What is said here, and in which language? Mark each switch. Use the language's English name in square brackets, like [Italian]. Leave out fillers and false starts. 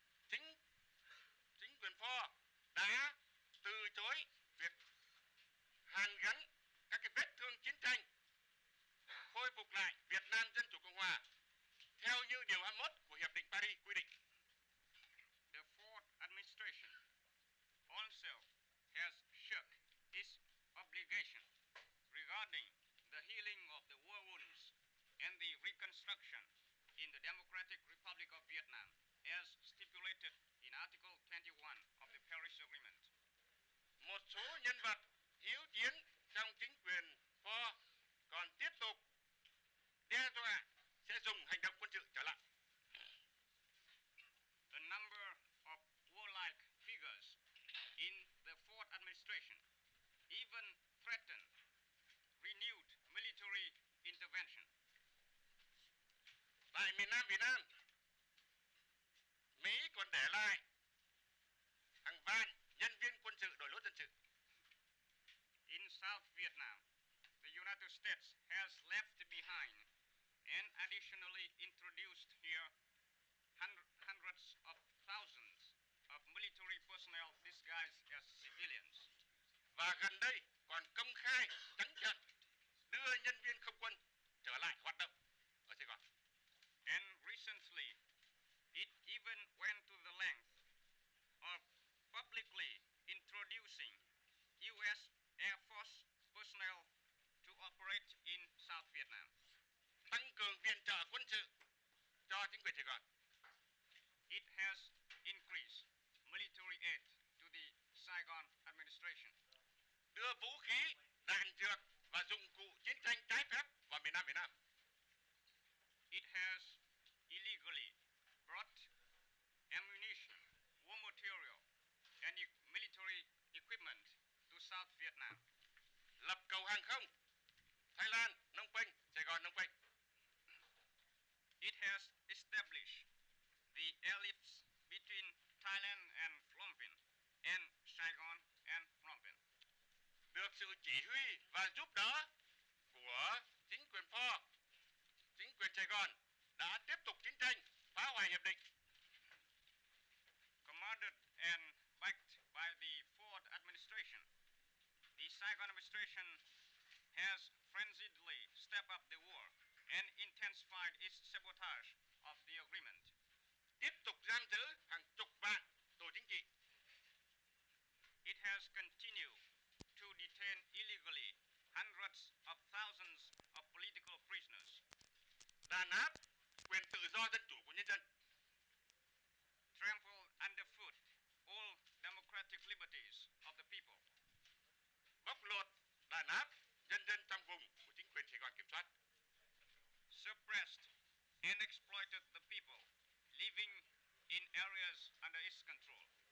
[Vietnamese] Chính quyền Ford đã từ chối việc hàn gắn các cái vết thương chiến tranh, khôi phục lại Việt Nam Dân Chủ Cộng Hòa theo như điều 21 của Hiệp định Paris quy định. [English] The Ford administration also has shirked its obligation regarding the healing of the war wounds and the reconstruction in the Democratic Republic of Vietnam as stipulated in Article 21 of the Paris Agreement. [Vietnamese] Một số nhân vật hiếu chiến trong chính quyền Ford còn tiếp tục đe dọa sẽ dùng hành động quân sự trở lại. [English] A number of warlike figures in the Ford administration even threatened renewed military intervention. [Vietnamese] Tại miền Nam Việt Nam, Mỹ còn để lại hàng vạn nhân viên quân sự đội lốt dân sự. [English] In South Vietnam, the United States has left behind and additionally introduced here hundreds of thousands of military personnel disguised as civilians. [Vietnamese] Và gần đây còn công khai trắng trợn đưa nhân viên không quân trở lại hoạt động ở Sài Gòn. [English] And recently, it even went to the length of publicly introducing U.S. Air Force personnel to operate in South Vietnam. [Vietnamese] Tăng cường viện trợ quân sự cho chính quyền Sài Gòn. [English] It has increased military aid to the Saigon administration. [Vietnamese] Đưa vũ khí, đạn dược và dụng cụ chiến tranh trái phép vào miền Nam Việt Nam. [English] It has illegally brought ammunition, war material, and military equipment to South Vietnam. [Vietnamese] Lập cầu hàng không, Thái Lan, Phnom Penh, Sài Gòn, Phnom Penh. [English] It has established the airlifts between Thailand and Phnom Penh, and Saigon and Phnom Penh. [Vietnamese] Được sự chỉ huy và giúp đỡ của chính quyền Ford, chính quyền Sài Gòn đã tiếp tục chiến tranh, phá hoại hiệp định. [English] Commanded and backed by the Ford administration, the Saigon administration has frenziedly stepped up the war and intensified its sabotage of the agreement. [Vietnamese] Tiếp tục giam giữ hàng chục vạn tù chính trị. [English] It has continued to detain illegally hundreds of thousands of political prisoners. [Vietnamese] Đàn áp quyền tự do dân chủ của nhân dân. [English] Trample underfoot all democratic liberties of the people. [Vietnamese] Bóc lột, đàn áp nhân dân trong vùng của chính quyền Sài Gòn kiểm soát. [English] Suppressed and exploited the people living in areas under its control.